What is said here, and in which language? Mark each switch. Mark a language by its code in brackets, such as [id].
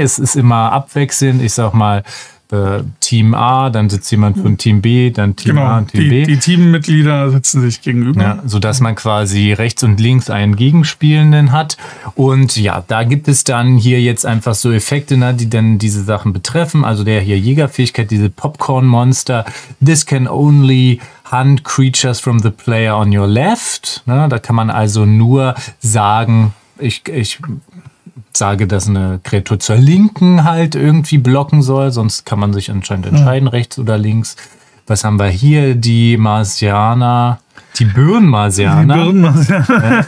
[de] Es ist immer abwechselnd. Ich sag mal, Team A, dann sitzt jemand von Team B, dann Team A und Team B. Die Teammitglieder sitzen sich gegenüber. Ja, sodass man quasi rechts und links einen Gegenspielenden hat. Und ja, da gibt es dann hier jetzt einfach so Effekte, ne, die dann diese Sachen betreffen. Also der hier Jägerfähigkeit, diese Popcorn-Monster. [en] This can only hunt creatures from the player on your left. [de] Ne, da kann man also nur sagen, ich sage, dass eine Kreatur zur Linken halt irgendwie blocken soll, sonst kann man sich anscheinend entscheiden, rechts oder links. Was haben wir hier? Die Marsianer, die Birnmarsianer. Die Birnmarsianer.